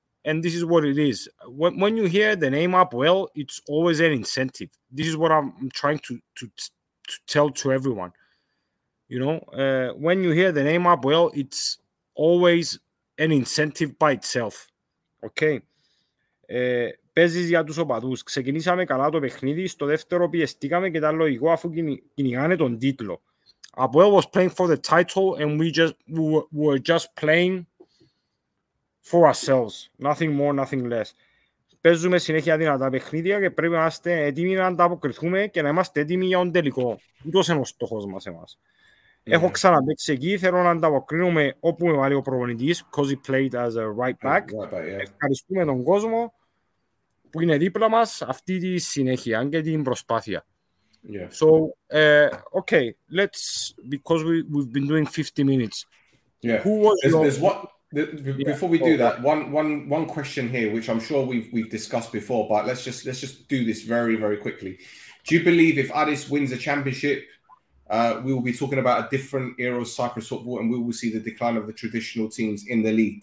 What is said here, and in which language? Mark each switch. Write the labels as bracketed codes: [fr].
[en] And this is what it is. When you hear the name Apoel, it's always an incentive. This is what I'm trying to tell to everyone. You know, when you hear the name Apoel, it's always an incentive by itself. Okay. [el] Παίζεις για τους οπαδούς. Ξεκινήσαμε καλά το παιχνίδι. Στο δεύτερο πιεστήκαμε και ήταν λογικό, αφού κυνηγάνε τον τίτλο. [en] Apoel was playing for the title, and we were just playing for ourselves. Nothing more, nothing less. [el] Παίζουμε συνέχεια δυνατά παιχνίδια και πρέπει να είμαστε έτοιμοι να ανταποκριθούμε και να είμαστε έτοιμοι για τον τελικό. Ούτως είναι ο στόχος μας εμάς. Έχω ξαναπέξει εκεί, θέλω να ανταποκρίνουμε όπου με βάλει ο προπονητής, because he played as a right back. Ευχαριστούμε τον κόσμο που είναι δίπλα μας αυτή τη συνέχεια και την προσπάθεια. [en] Yeah. So, okay, let's, because we've been doing 50 minutes. Yeah. Who was before we do that, one question here, which I'm sure we've discussed before, but let's just do this very, very quickly. Do you believe if Addis wins a championship, we will be talking about a different era of Cyprus football and we will see the decline of the traditional teams in the league?